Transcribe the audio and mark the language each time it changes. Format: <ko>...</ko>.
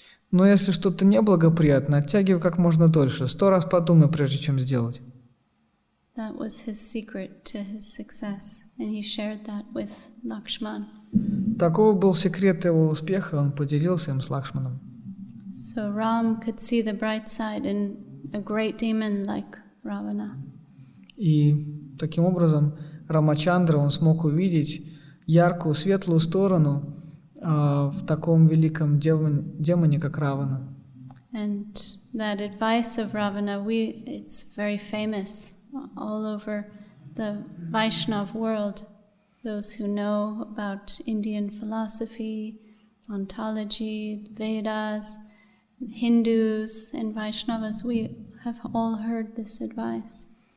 <ru>Но если что-то неблагоприятно, оттягивай как можно дольше. 100 раз подумай, прежде чем сделать.</ru> <en>That was his secret to his success, and he shared that with Lakshman.</en> <ru>Такого был секрет его успеха, он поделился им с Лакшманом.</ru> <en>So Ram could see the bright side in a great demon like Ravana.</en> <ru>И таким образом Рамачандра он смог увидеть яркую, светлую сторону в таком великом демоне, как Равана.</ru> <en>And that advice of Ravana, it's very famous all over the Vaishnav world. Those who know about Indian philosophy, ontology, Vedas, Hindus and Vaishnavas, we have all heard this advice.</en>